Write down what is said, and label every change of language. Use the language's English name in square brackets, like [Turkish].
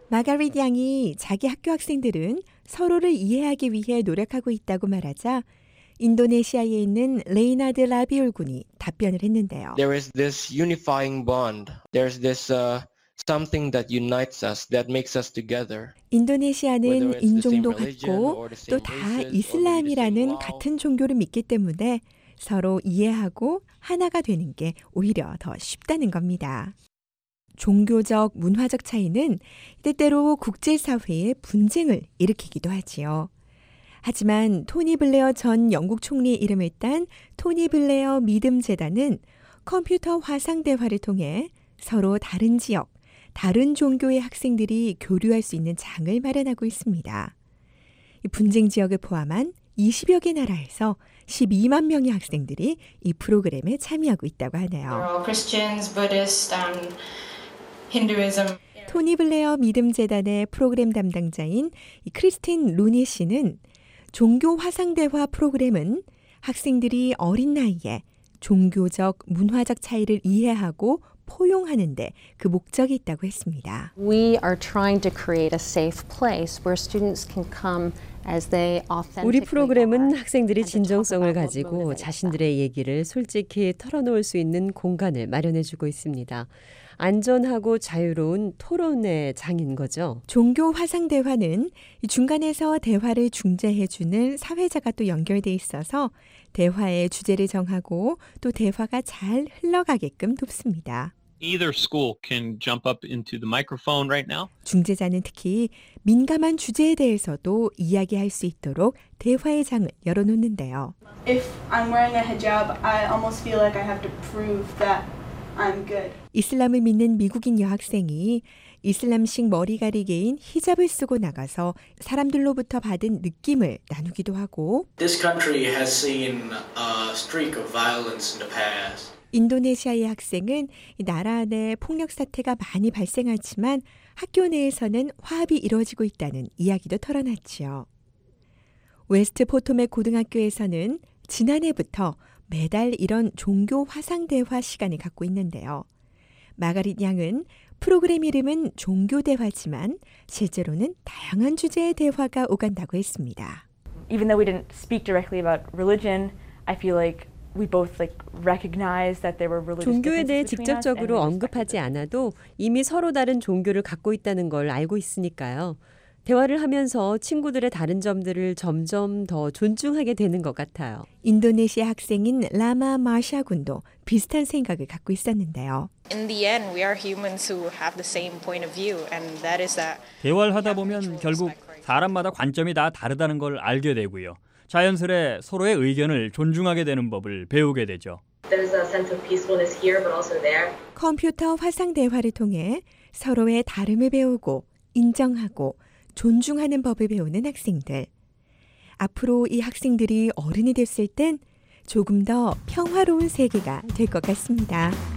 [Korean] 마가릿 양이 자기 학교 학생들은 서로를 이해하기 위해 노력하고 있다고 말하자 인도네시아에 있는 레이나드 라비올 군이 답변을 했는데요. [English] There is this unifying bond. There's this something that unites us, that makes us together. [Korean] 인도네시아는 인종도 같고 또 다 이슬람이라는 같은 종교를 믿기 때문에 서로 이해하고 하나가 되는 게 오히려 더 쉽다는 겁니다. 종교적, 문화적 차이는 때때로 국제사회의 분쟁을 일으키기도 하지요. 하지만 토니 블레어 전 영국 총리 이름을 딴 토니 블레어 믿음재단은 컴퓨터 화상 대화를 통해 서로 다른 지역, 다른 종교의 학생들이 교류할 수 있는 장을 마련하고 있습니다. 분쟁 지역을 포함한 20여 개 나라에서 12만 명의 학생들이 이 프로그램에 참여하고 있다고 하네요. [English] Christians, Buddhists, Hinduism. [Korean] 토니 블레어 믿음재단의 프로그램 담당자인 크리스틴 루니 씨는 종교 화상 대화 프로그램은 학생들이 어린 나이에 종교적, 문화적 차이를 이해하고 포용하는 데 그 목적이 있다고 했습니다. [English] We are trying to create a safe place where students can come as they authentically are. [Korean] 우리 프로그램은 학생들이 진정성을 가지고 자신들의 얘기를 솔직히 털어놓을 수 있는 공간을 마련해 주고 있습니다. 안전하고 자유로운 토론의 장인 거죠. 종교 화상 대화는 중간에서 대화를 중재해 주는 사회자가 또 연결돼 있어서 대화의 주제를 정하고 또 대화가 잘 흘러가게끔 돕습니다. [English] Either school can jump up into the microphone right now. [Korean] 중재자는 특히 민감한 주제에 대해서도 이야기할 수 있도록 대화의 장을 열어놓는데요. [English] If I'm wearing a hijab, I almost feel like I have to prove that I'm good. [Korean] 이슬람을 믿는 미국인 여학생이 이슬람식 머리 가리개인 히잡을 쓰고 나가서 사람들로부터 받은 느낌을 나누기도 하고 [English] This country has seen a streak of violence in the past. [Korean] 인도네시아의 학생은 나라 안에 폭력 사태가 많이 발생하지만 학교 내에서는 화합이 이루어지고 있다는 이야기도 털어놨지요. 웨스트 포토맥 고등학교에서는 지난해부터 매달 이런 종교 화상 대화 시간을 갖고 있는데요. 마가릿 양은 프로그램 이름은 종교 대화지만 실제로는 다양한 주제의 대화가 오간다고 했습니다. [English] Even though we didn't speak directly about religion, I feel like we both like recognized that there were religious differences. [Korean] 종교에 대해 직접적으로 언급하지 않아도 이미 서로 다른 종교를 갖고 있다는 걸 알고 있으니까요. 대화를 하면서 친구들의 다른 점들을 점점 더 존중하게 되는 것 같아요. 인도네시아 학생인 라마 마샤 군도 비슷한 생각을 갖고 있었는데요. [English] In the end, we are humans who have the same point of view, and that is that. [Korean] 대화를 하다 보면 결국 사람마다 관점이 다 다르다는 걸 알게 되고요. 자연스레 서로의 의견을 존중하게 되는 법을 배우게 되죠. [English] There's a sense of peacefulness here, but also there. [Korean] 컴퓨터 화상 대화를 통해 서로의 다름을 배우고 인정하고 존중하는 법을 배우는 학생들. 앞으로 이 학생들이 어른이 됐을 땐 조금 더 평화로운 세계가 될 것 같습니다.